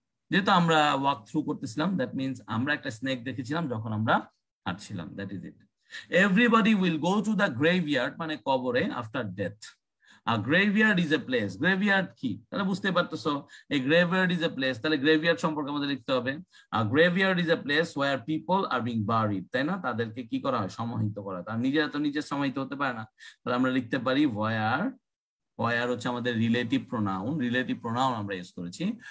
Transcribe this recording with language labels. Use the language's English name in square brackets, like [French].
[Bangla] যেহেতু আমরা walk through করতেছিলাম that means আমরা একটা snake দেখেছিলাম যখন আমরা হাঁটছিলাম. [English] That is it. Everybody will go to the graveyard [Bangla] মানে কবরে [English] after death. A graveyard is a place. Graveyard কি? [Bangla] তাহলে বুঝতে পারতেছো [English] a graveyard is a place. [Bangla] তাহলে graveyard সম্পর্কে আমাদের লিখতে হবে. [English] A graveyard is a place where people are being buried. [Bangla] তাই না? তাদেরকে কি করা হয়? সমাহিত করা. তার নিজেরা তো নিজে সমাহিত হতে পারে না. তাহলে আমরা লিখতে পারি where হচ্ছে আমাদের relative pronoun আমরা ইউজ করেছি.